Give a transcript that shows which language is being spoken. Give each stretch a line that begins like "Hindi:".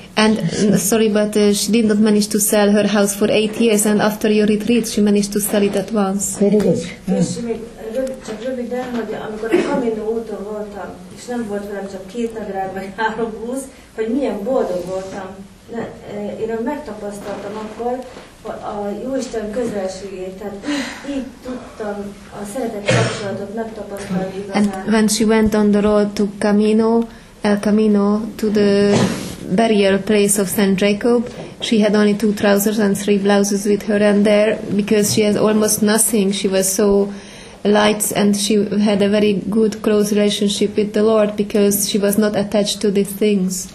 English: And sorry, but she did not manage to sell her house for 8 years, and after your retreat, she managed to sell it at once. Very good.
Hungarian: Csak röviden, hogy amikor a Camino úton voltam, és nem volt velem csak két nadrág vagy három busz, hogy milyen boldog voltam. Én megtapasztaltam akkor a Jóisten közelségét, tehát így tudtam a szeretet kapcsolatot megtapasztalni igazán.
English: And when she went on the road to Camino, El Camino, to the burial place of Saint Jacob, she had only two trousers and three blouses with her, and there, because she had almost nothing, she was so light, and she had a very good close relationship with the Lord because she was not attached to these things.